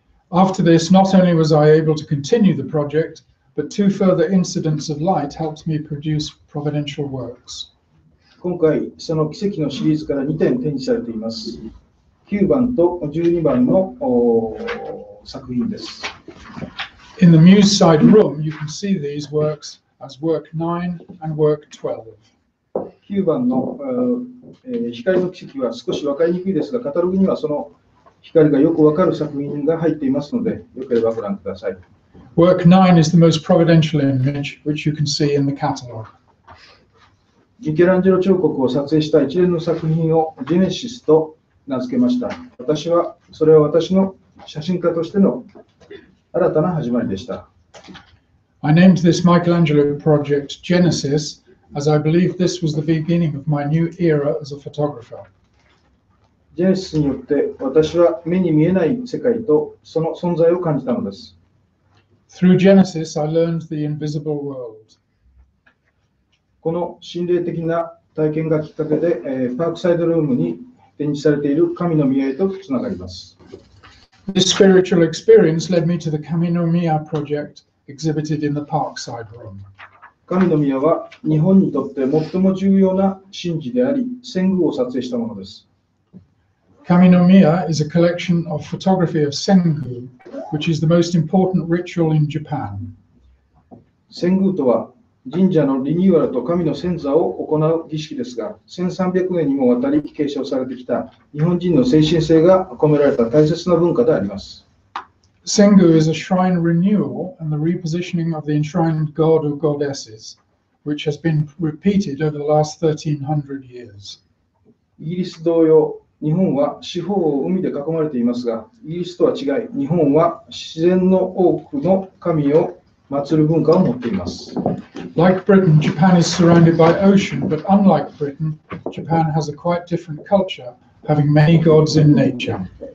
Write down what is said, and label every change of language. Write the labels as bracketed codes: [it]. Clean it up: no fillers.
[en] After this, not only was I able to continue the project, but two further incidents of light helped me produce providential works. [ja] 今回、その奇跡のシリーズから2点展示されています。9番と12番の作品です。 [en] In the Muse side room, you can see these works as work 9 and work 12. [ja] 9番の、光の奇跡は少し分かりにくいですが、カタログにはその光がよく分かる作品が入っていますので、よければご覧ください。 [en] Work 9 is the most providential image which you can see in the catalog. [ja] ミケランジェロ彫刻を撮影した一連の作品をジェネシスと名付けました。私は、それは私の写真家としての新たな始まりでした。 [en] I named this Michelangelo project Genesis. As I believe this was the beginning of my new era as a photographer. [ja] ジェネシスによって私は目に見えない世界とその存在を感じたのです。 [en] Through Genesis, I learned the invisible world. [ja] この心霊的な体験がきっかけで、パークサイドルームに展示されている神の宮へとつながります。 [en] This spiritual experience led me to the 神の宮 project exhibited in the park side room. [ja] 神の宮は日本にとって最も重要な神事であり、戦宮を撮影したものです。 [en] 神の宮 is a collection of photography of Sengu, which is the most important ritual in Japan. [ja] 戦宮とは神社のリニューアルと神の遷座を行う儀式ですが、1300年にもわたり継承されてきた日本人の精神性が込められた大切な文化であります。 [en] Sengu is a shrine renewal and the repositioning of the enshrined god or goddesses, which has been repeated over the last 1300 years. [ja] イギリス同様、日本は四方を海で囲まれていますが、イギリスとは違い、日本は自然の多くの神を祀る文化を持っています。 [en] Like Britain, Japan is surrounded by ocean, but unlike Britain, Japan has a quite different culture, having many gods in nature.